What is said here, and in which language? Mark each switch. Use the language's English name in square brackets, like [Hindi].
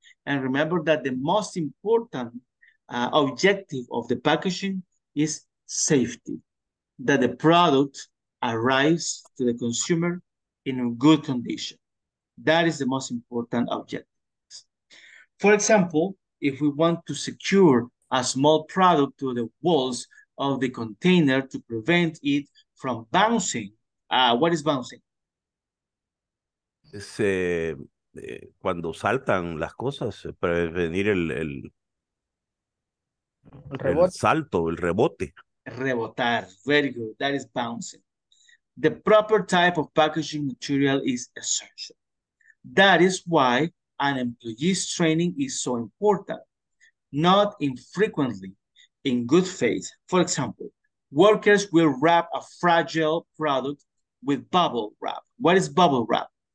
[English] And remember that the most important objective of the packaging is safety, that the product arrives to the consumer in a good condition. That is the most important objective. For example, if we want to secure a small product to the walls of the container to prevent it from bouncing, what is bouncing? [Spanish] Es cuando saltan las cosas, prevenir el rebote. [English] Rebotar, very good, that is bouncing. The proper type of packaging material is essential. That is why an employee's training is so important. Not infrequently, in good faith. For example, workers will wrap a fragile product with bubble wrap. What is bubble wrap?